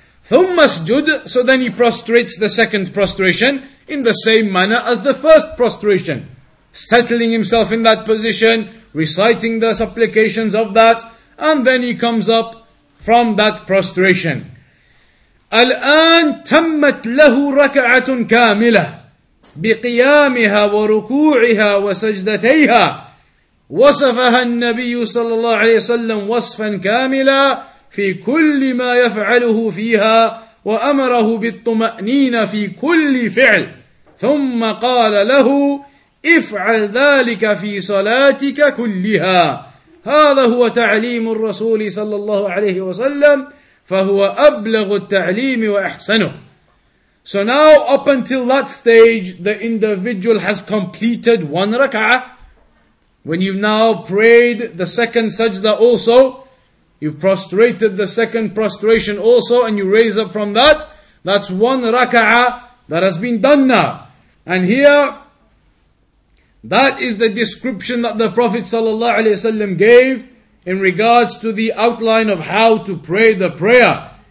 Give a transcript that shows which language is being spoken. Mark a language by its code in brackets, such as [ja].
[ar] ثُمَّ اسْجُدْ [en] So then he prostrates the second prostration in the same manner as the first prostration. Settling himself in that position, reciting the supplications of that, and then he comes up from that prostration. [ar] الآن تمت له ركعة كاملة بقيامها وركوعها وسجدتيها وصفها النبي صلى الله عليه وسلم وصفا كاملا في كل ما يفعله فيها وأمره بالطمأنينة في كل فعل ثم قال له افعل ذلك في صلاتك كلها هذا هو تعليم الرسول صلى الله عليه وسلم فَهُوَ أَبْلَغُ التَّعْلِيمِ وَأَحْسَنُهُ [en] So now up until that stage, the individual has completed one rak'ah. When you've now prayed the second sajda also, you've prostrated the second prostration also, and you raise up from that, that's one rak'ah that has been done now. And here, that is the description that the Prophet ﷺ gave in regards to the outline of how to pray the prayer.